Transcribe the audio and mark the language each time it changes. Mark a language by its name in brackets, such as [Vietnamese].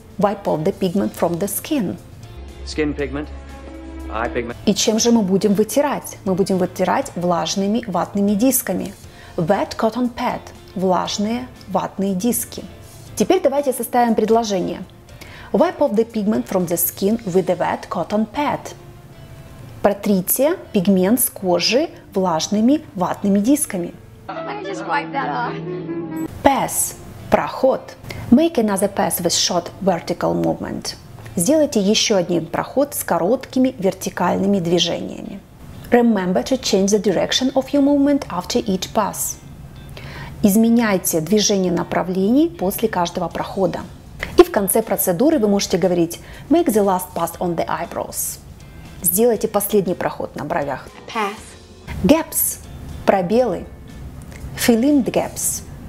[English] Wipe off the pigment from the skin. Skin pigment. Eye pigment. [Russian] И чем же мы будем вытирать? Мы будем вытирать влажными ватными дисками. [English] Wet cotton pad. [Russian] Влажные ватные диски. Теперь давайте составим предложение. [English] Wipe off the pigment from the skin with a wet cotton pad. [Russian] Протрите пигмент с кожи влажными ватными дисками. [English] I just wipe that off. Pass. [Russian] Проход. [English] Make another pass with short vertical movement. [Russian] Сделайте еще один проход с короткими вертикальными движениями. [English] Remember to change the direction of your movement after each pass. [Russian] Изменяйте движение направлений после каждого прохода. И в конце процедуры вы можете говорить [English] make the last pass on the eyebrows. [Russian] Сделайте последний проход на бровях. [English] Pass. Gaps. [Russian] Пробелы. [English] Fill in the gaps.